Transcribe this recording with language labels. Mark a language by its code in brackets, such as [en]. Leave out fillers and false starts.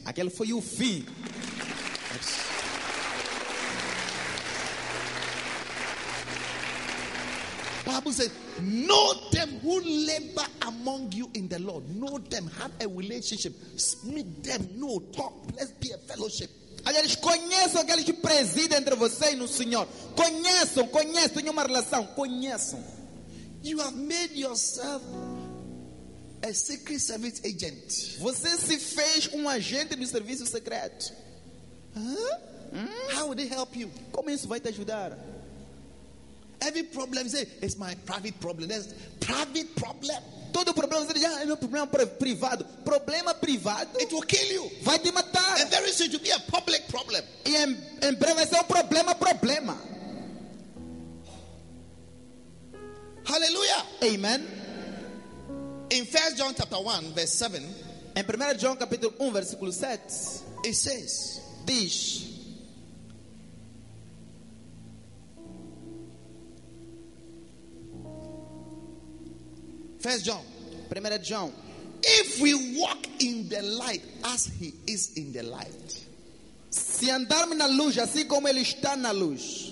[pt] Aquele foi o fim. [en] Yes. Bible says, know them who labor among you in the Lord. Know them, have a relationship. Meet them, know, talk, let's be a fellowship. [pt] Aliás, conheçam aqueles que presidem entre você e no Senhor. Conheçam, conheçam, tenham uma relação, conheçam. [en] You have made yourself a secret service agent. [pt] Você se fez agente do serviço secreto. [en] Huh? Mm? How would it help you? [pt] Como isso vai te ajudar? [en] Every problem, say, it's my private problem. That's private problem. [pt] Todo problema, você diz, ah, é meu problema privado. Problema privado? [en] It will kill you. [pt] Vai te matar. [en] And very soon to be a public problem. [pt] E em breve vai ser problema, problema. [en] Hallelujah. Amen. In 1 John chapter 1, verse 7. [pt] Em 1 João capítulo 1, versículo 7. [en] It says, [pt] diz, [en] First John, [pt] Primeira João. [en] If we walk in the light as he is in the light, [pt] se andarmos na luz assim como ele está na luz,